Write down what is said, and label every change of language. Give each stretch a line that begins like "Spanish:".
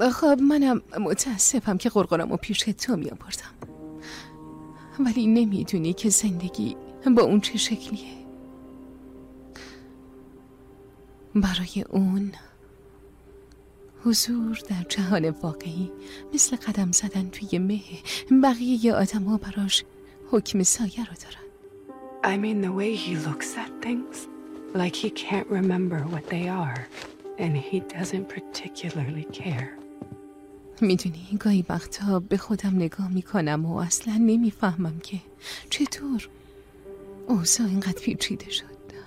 Persian: خب منم متاسفم که قرقرم و پیش تو می آوردم، ولی نمیدونی که زندگی با اون چه شکلیه. برای اون حضور در جهان واقعی مثل قدم زدن توی مه. بقیه ی آدم ها براش حکم سایه رو دارن.
English: I mean the way he looks at things, like he can't remember what they are, and he doesn't particularly care.
Persian: میدونی گاهی وقتا به خودم نگاه میکنم و اصلا نمیفهمم که چطور اوضاع اینقدر پیچیده شد.